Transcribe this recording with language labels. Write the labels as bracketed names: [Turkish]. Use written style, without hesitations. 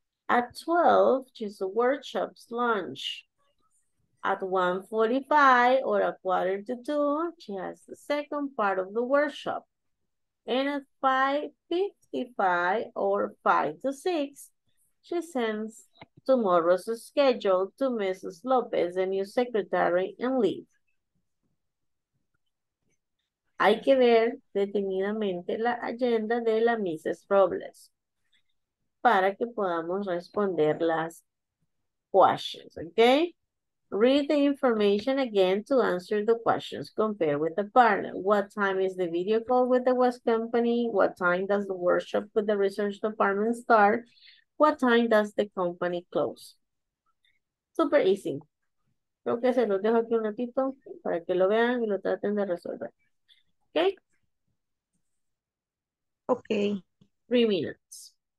[English] At 12, she's a workshop's lunch. At 1:45 or 1:45, she has the second part of the workshop. And at 5:55 or 5:00 to 6:00, she sends tomorrow's schedule to Mrs. Lopez, the new secretary, and leave. [Spanish] Hay que ver detenidamente la agenda de la Mrs. Robles para que podamos responder las questions, okay? [English] Read the information again to answer the questions. Compare with the partner. What time is the video call with the West Company? What time does the workshop with the research department start? What time does the company close? Super easy. [Spanish] Creo que se los dejo aquí un ratito para que lo vean y lo traten de resolver. [English] Okay? Okay. 3 minutes.